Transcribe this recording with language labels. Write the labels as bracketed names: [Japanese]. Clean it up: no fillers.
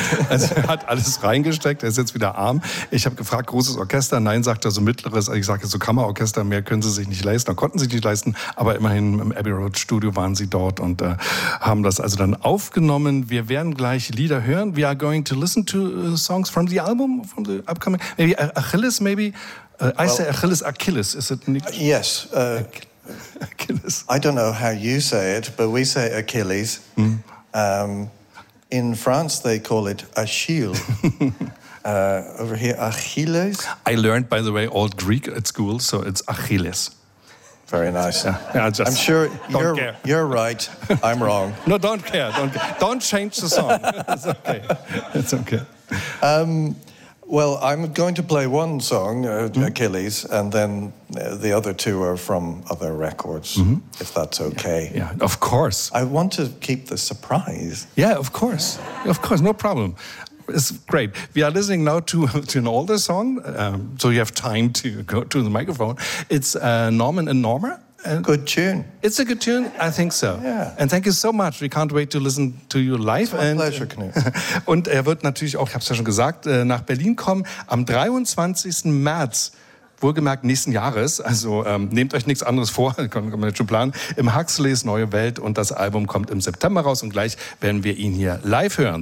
[German] Also er hat alles reingesteckt, er ist jetzt wieder arm. Ich habe gefragt, großes Orchester? Nein, sagt er, so mittleres. Ich sage, so Kammerorchester, mehr können sie sich nicht leisten. Oder konnten sie sich nicht leisten, aber immerhin im Abbey Road Studio waren sie dort und haben das also dann aufgenommen. Wir werden gleich Lieder hören. [English] We are going to listen to songs from the album, from the upcoming, maybe Achilles, maybe? Well, I say Achilles, Achilles, is it? Yes. Achilles. I don't know how you say it, but we say Achilles. Mm. In France, they call it Achille. over here, Achilles. I learned, by the way, Old Greek at school, so it's Achilles. Very nice. Yeah, just I'm sure you're right. I'm wrong. No, don't care. Don't change the song. It's okay. It's okay. Well, I'm going to play one song, Achilles, and then the other two are from other records, if that's okay. Yeah, of course. I want to keep the surprise. Yeah, of course. Of course, no problem. It's great. We are listening now to an older song, so you have time to go to the microphone. It's Norman and Norma. Good tune. It's a good tune, I think so. Yeah. And thank you so much. We can't wait to listen to you live. It's my pleasure, Knut. [German] Und wird natürlich auch, ich habe es ja schon gesagt, nach Berlin kommen am 23. März, wohlgemerkt nächsten Jahres. Also nehmt euch nichts anderes vor, kann man jetzt schon planen. Im Huxleys Neue Welt und das Album kommt im September raus und gleich werden wir ihn hier live hören.